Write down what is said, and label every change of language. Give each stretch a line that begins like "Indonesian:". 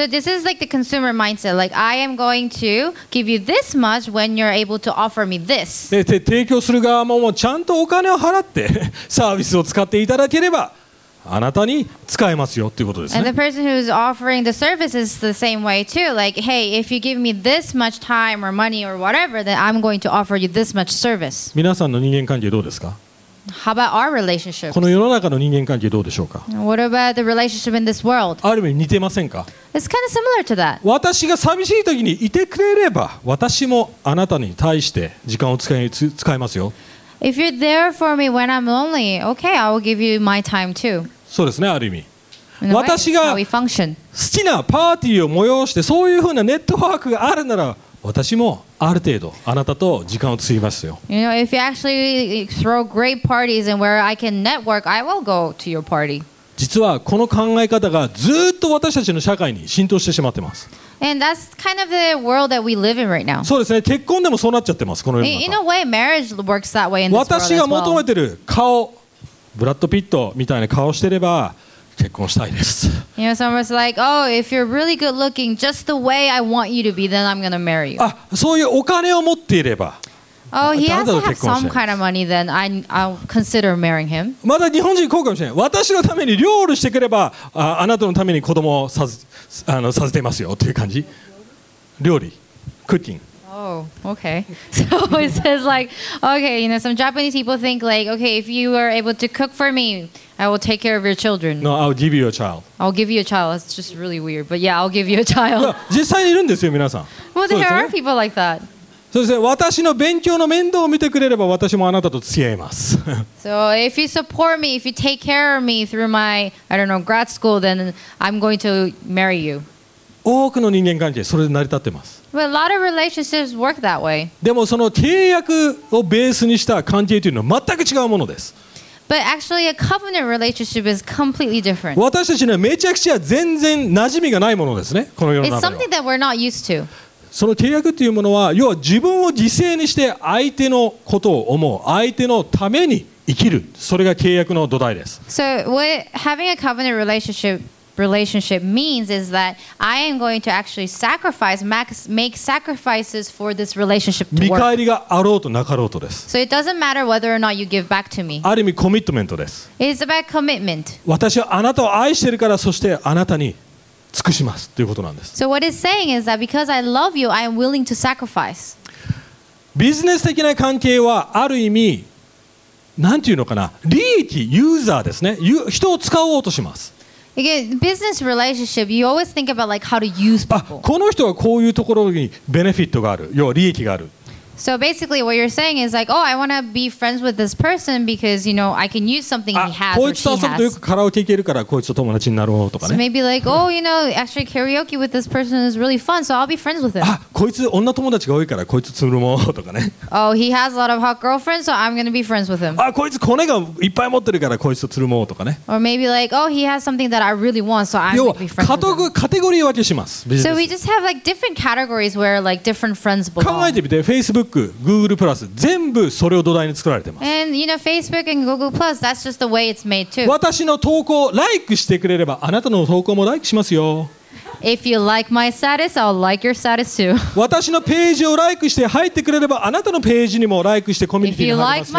English: So this is like the consumer mindset. Like I am going to give you this much when you're able to offer me this.
Japanese: で、提供する側ももうちゃんとお金を払ってサービスを使っていただければあなたに使えますよということですね。
English: And the person who is offering the service is the same way too. Like, hey, if you give me this much time or money or whatever, then I'm going to offer you this much service.
Japanese: 皆さんの人間関係どうですか？
English: How about our relationships?
Japanese: この世の中の人間関係どうでしょうか。
English: What about the relationship in this world?
Japanese: ある意味似てませんか。
English: It's kind of similar to that.
Japanese: 私が寂しい時にいてくれれば、私もあなたに対して時間を使えますよ。
English: If you're there for me when I'm lonely, okay, I will give you my time too.
Japanese: そうですね、ある意味。
English: way,
Japanese: 私が好きなパーティーを催してそういうふうなネットワークがあるなら、私もある程度あなたと時間を費やすよ。
English: You know, if you actually throw great parties and where I can network, I will go to your party.
Japanese: 実はこの考え方がずっと私たちの社会に浸透してしまってます。
English: And that's kind of the world that we live in right now.
Japanese: そうですね。結婚でもそうなっちゃってます、この世の中。
English: In a way, marriage works that way in this world as well.
Japanese: 私が求めてる顔、ブラッド・ピットみたいな顔してれば結婚したいです。
English: You know, someone's like, oh, if you're really good looking, just the way I want you to be, then I'm gonna marry you.
Japanese: あ、そういうお金を持っていれば。
English: Oh, he has to have some kind of money, then I'll consider marrying him.
Japanese: まだ日本人こうかもしれない。私のために料理してくれば、あなたのために子供をさせてますよっていう感じ。料理、クッキング。
English: Oh, okay. So it says like, okay, you know, some Japanese people think like, okay, if you are able to cook for me, I will take care of your children. No, I'll give you a child. I'll give you a child. It's just really weird. But yeah, I'll give you a child.
Japanese: 実際にいるんですよ、皆さん。
English: Well, there are people like that.
Japanese: そうですね。私の勉強の面倒を見てくれれば、私もあなたと付き合います。
English: So if you support me, if you take care of me through my, I don't know, grad school, then I'm going to marry you.
Japanese: 多くの人間関係、それで成り立ってます。
English: But a lot of relationships work that way.
Japanese: でもその契約をベースにした関係というのは全く違うものです。
English: But actually, a covenant relationship is completely different.
Japanese: 私たちにはめちゃくちゃ全然馴染みがないものですね、この世の中では。
English: It's something that we're not used to.
Japanese: その契約というものは、要は自分を犠牲にして相手のことを思う、相手のために生きる、それが契約の土台です。
English: So what having a covenant relationship means is that I am going to actually sacrifice, make sacrifices for this relationship to work.
Japanese: 見返りがあろうとなかろうとです。
English: So it doesn't matter whether or not you give back to me.
Japanese: ある意味コミットメントです。
English: It's about commitment.
Japanese: 私はあなたを愛してるから、そしてあなたに尽くしますということなんです。
English: So what it's saying is that because I love you, I am willing to sacrifice.
Japanese: ビジネス的な関係はある意味なんていうのかな、利益、ユーザーですね。人を使おうとします。
English: Again, business relationship, you always think about like how to use people.
Japanese: この人はこういうところにベネフィットがある、要は利益がある。
English: So basically what you're saying is like, oh, I want to be friends with this person because, you know, I can use something he has or she has.
Japanese: こいつとよくカラオケ行けるからこいつと友達になろうとかね。
English: So maybe like, oh, you know, actually karaoke with this person is really fun, so I'll be friends with him.
Japanese: こいつ女友達が多いからこいつつるもうとかね。
English: Oh, he has a lot of hot girlfriends, so I'm going to be friends with him.
Japanese: こいつコネがいっぱい持ってるからこいつとつるもうとかね。
English: Or maybe like, oh, he has something that I really want, so I'm going to be friends with him.
Japanese: カテゴリー分けします。
English: So we just have like different categories where like different friends belong.
Japanese: 考えてみて、FacebookGoogle Plus 全部それを土台に作られてます。
English: And you know Facebook and Google Plus, that's just the way it's made too.
Japanese: 私の投稿ライクしてくれればあなたの投稿もライクしますよ。
English: If you like my status, I'll like your status too.
Japanese: 私のページをライクして入ってくれればあなたのページにもライクしてコミュニティに入りますよ。